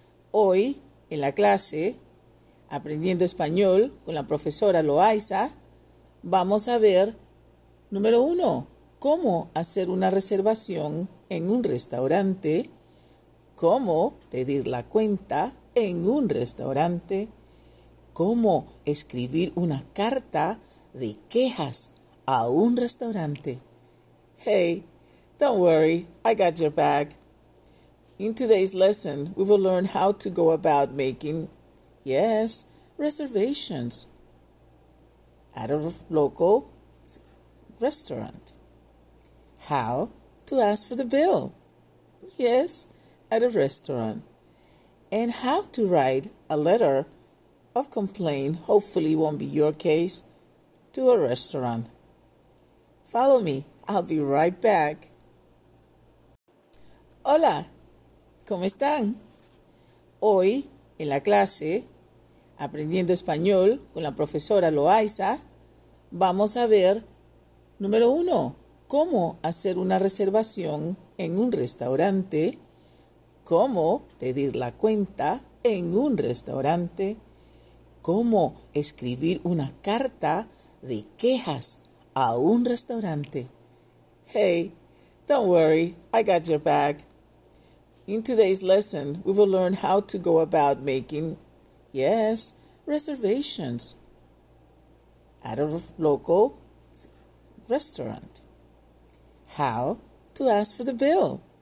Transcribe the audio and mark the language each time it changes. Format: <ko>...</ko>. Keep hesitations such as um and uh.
<es>Hoy en la clase Aprendiendo español con la profesora Loaiza, vamos a ver número uno cómo hacer una reservación en un restaurante, cómo pedir la cuenta en un restaurante, cómo escribir una carta de quejas a un restaurante.</es> <en>Hey, don't worry, I got your back. In today's lesson, we will learn how to go about making, yes, reservations at a local restaurant how to ask for the bill. Yes, at a restaurant. And how to write a letter of complaint, hopefully won't be your case, to a restaurant. Follow me, I'll be right back.</en> <es>Hola, ¿cómo están? Hoy, en la clase, aprendiendo español con la profesora Loaiza, vamos a ver, número uno, cómo hacer una reservación en un restaurante, cómo pedir la cuenta en un restaurante, cómo escribir una carta de quejas a un restaurante.</es> <en>Hey, don't worry, I got your back. In today's lesson, we will learn how to go about making, yes, reservations at a local restaurant how to ask for the bill.</en>